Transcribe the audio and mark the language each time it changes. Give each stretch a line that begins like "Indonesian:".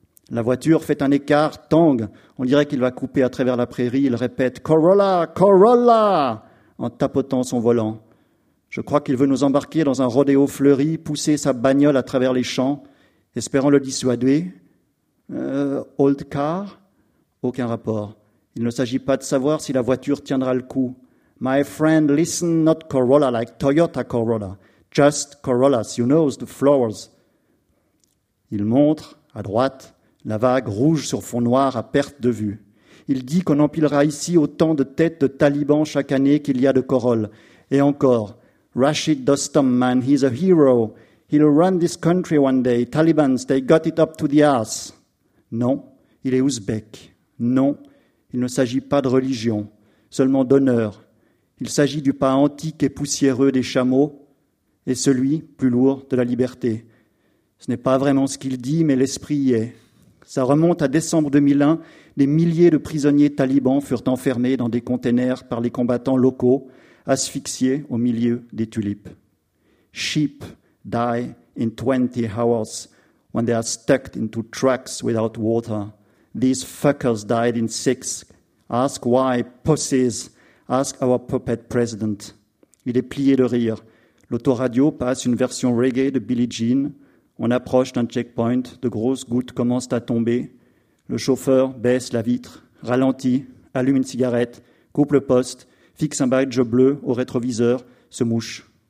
French: La voiture fait un écart, tangue. On dirait qu'il va couper à travers la prairie. Il répète Corolla, Corolla, en tapotant son volant. Je crois qu'il veut nous embarquer dans un rodéo fleuri, pousser sa bagnole à travers les champs, espérant le dissuader.
English: Old car?
French: Aucun rapport. Il ne s'agit pas de savoir si la voiture tiendra le coup.
English: My friend, listen, not Corolla like Toyota Corolla. Just Corollas, you know, the flowers.
French: Il montre, à droite, la vague rouge sur fond noir à perte de vue. Il dit qu'on empilera ici autant de têtes de talibans chaque année qu'il y a de corolles. Et encore,
English: Rashid Dostum, man, he's a hero. He'll run this country one day. Talibans, they got it up to the ass.
French: Non, il est ouzbek. Non, il ne s'agit pas de religion, seulement d'honneur. Il s'agit du pas antique et poussiéreux des chameaux et celui, plus lourd, de la liberté. Ce n'est pas vraiment ce qu'il dit, mais l'esprit y est. Ça remonte à décembre 2001, des milliers de prisonniers talibans furent enfermés dans des containers par les combattants locaux, asphyxiés au milieu des tulipes.
English: Sheep die in 20 hours when they are stuck into trucks without water. These fuckers died in 6. Ask why, pussies. Ask our puppet president.
French: Il est plié de rire. L'autoradio passe une version reggae de Billie Jean. On approche d'un checkpoint, de grosses gouttes commencent à tomber. Le chauffeur baisse la vitre, ralentit, allume une cigarette, coupe le poste, fixe un badge bleu au rétroviseur, se mouche.